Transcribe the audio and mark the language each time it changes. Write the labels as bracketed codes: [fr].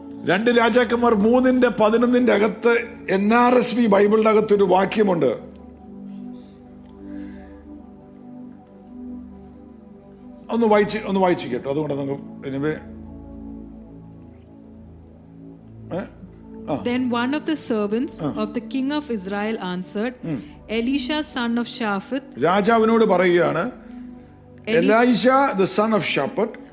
[ml] രണ്ട് രാജാക്കന്മാർ 3:11 അകത്ത് NRSV ബൈബിളിന്റെ അകത്തൊരു വാക്യമുണ്ട്. ഒന്ന് വായിച്ച് കേട്ടോ, അതുകൊണ്ട് നമുക്ക് anyway. [en] Then one of the servants of the king of Israel answered, Elisha son of Shaphat. [ml] രാജാവിനോട് പറയുകയാണ്, Elisha [en] the son of Shaphat,